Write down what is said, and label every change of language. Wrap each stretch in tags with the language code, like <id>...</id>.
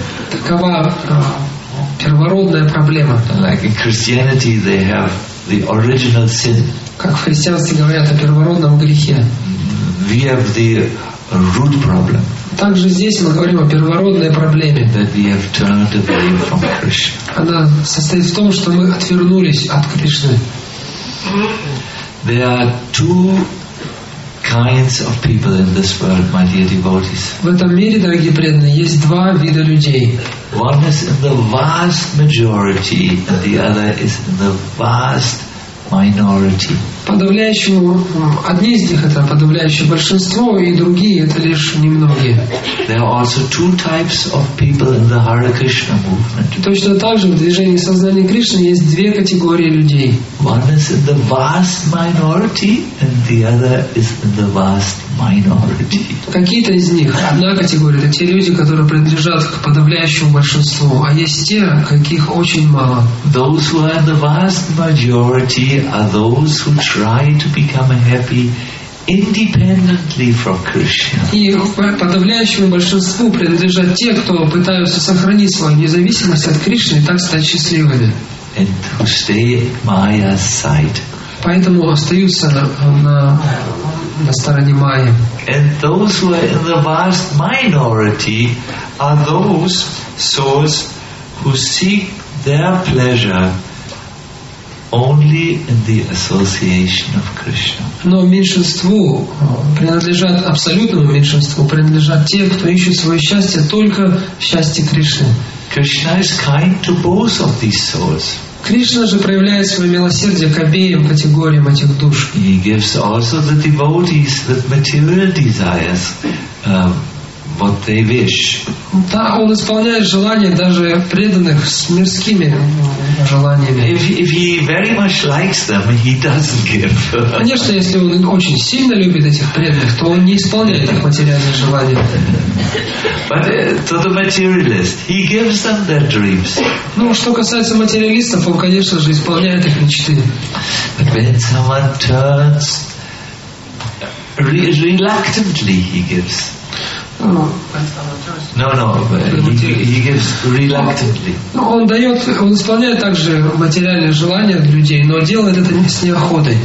<ru>Такова первородная проблема.</ru> <en>Like in Christianity, they have the original sin.</en> <ru>Как в христианстве говорят о первородном грехе.</ru> <en>We have the root problem.</en> <ru>Также здесь мы говорим о первородной проблеме.</ru> <en>That we have turned away from Krishna.</en> <ru>Она состоит в том, что мы отвернулись от Кришны.</ru> <en>There are two kinds of people in this world, my dear devotees.</en> <ru>В этом мире, дорогие преданные, есть два вида людей.</ru> <en>One is in the vast majority, and the other is in the vast minority.</en> <ru>Подавляющему одни из них это подавляющее большинство, и другие это лишь немногие.</ru> <en>There are also two types of people in the Hare Krishna movement.</en> <ru>Точно так же в движении сознания Кришны есть две категории людей.</ru> <en>One is in the vast minority, and the other is in the vast minority.</en> <ru>Какие-то из них, одна категория, это те люди, которые принадлежат к подавляющему большинству, а есть те, каких очень мало.</ru> <en>Those who are in the vast majority are those who try to become happy independently from Krishna.</en> <ru>И подавляющему большинству принадлежат те, кто пытаются сохранить свою независимость от Кришны и так стать счастливыми.</ru> <en>And to stay at Maya's side.</en> <ru>Поэтому остаются на стороне Майи.</ru> <en>And those who are in the vast minority are those souls who seek their pleasure only in the association of Krishna.</en> <ru>Но меньшинству принадлежат, абсолютному меньшинству принадлежат те, кто ищет свое счастье только в счастье Кришны.</ru> <en>Krishna is kind to both of these souls.</en> <ru>Кришна же проявляет свое милосердие к обеим категориям этих душ.</ru> <en>He gives also the devotees the material desires, what they wish.</en> <ru>Да, он исполняет желания даже преданных с мирскими желаниями.</ru> <en>If he very much likes them, he doesn't give.</en> <ru>Конечно, если он очень сильно любит этих преданных, то он не исполняет их материальные желания.</ru> <en>But to the materialist, he gives them their dreams.</en> <ru>Ну, что касается материалистов, он, конечно же, исполняет их мечты.</ru> <en>But when someone turns reluctantly, he gives. He gives reluctantly.</en> <ru>Ну, он дает, он исполняет также материальные желания людей, но делает это не с неохотой.</ru>